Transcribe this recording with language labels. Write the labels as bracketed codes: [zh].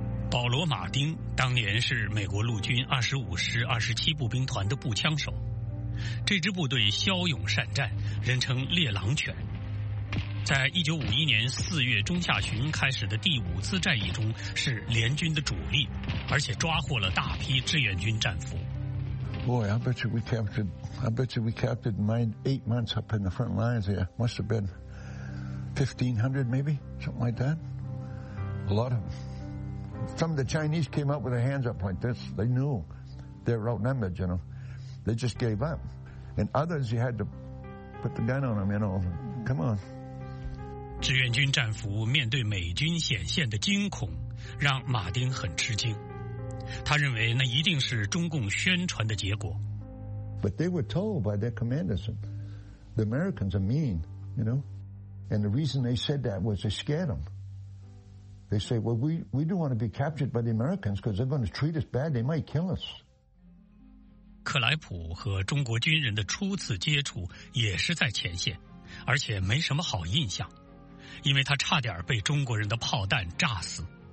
[zh] 保罗·马丁当年是美国陆军25师27步兵团的步枪手，这支部队骁勇善战，人称猎狼犬。在1951年4月中下旬开始的第5次战役中是联军的主力，而且抓获了大批志愿军战俘。 [en] Boy, I bet you we captured mine 8 months up in the front lines here. Must have been 1500 maybe, something like that. A lot of them. Some of the Chinese came up with their hands up like this. They knew they were outnumbered, you know. They just gave up. And others, you had to put the gun on them, you know. Come on. [zh] 志愿军战俘面对美军显现的惊恐，让马丁很吃惊。他认为那一定是中共宣传的结果。 [en] But they were told by their commanders, the Americans are mean, you know. And the reason they said that was they scared them. They say, well, we don't want to be captured by the Americans because they're going to treat us bad. They might kill us. [zh] 克莱普和中国军人的初次接触也是在前线，而且没什么好印象，因为他差点被中国人的炮弹炸死。